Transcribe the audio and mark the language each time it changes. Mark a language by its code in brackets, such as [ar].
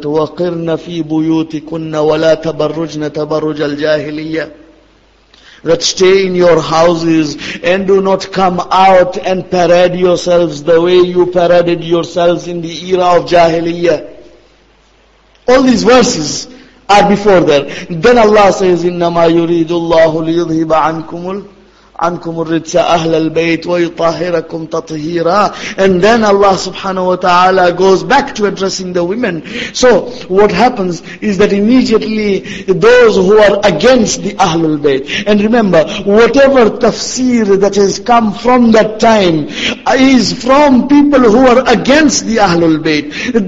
[ar] وَقِرْنَ فِي بُيُوتِكُنَّ وَلَا تَبَرُّجْنَ تَبَرُّجَ الْجَاهِلِيَّةِ. [en] That stay in your houses and do not come out and parade yourselves the way you paraded yourselves in the era of Jahiliyyah. All these verses are before there. Then Allah says, [ar] إِنَّمَا يُرِيدُ اللَّهُ لِيُذْهِبَ عَنْكُمُ الرِّجْسَ أَهْلَ الْبَيْتِ وَيُطَهِرَكُمْ تَطْهِيرًا. [en] And then Allah subhanahu wa ta'ala goes back to addressing the women. So what happens is that immediately those who are against the Ahlul Bayt, and remember, whatever tafsir that has come from that time is from people who are against the Ahlul Bayt.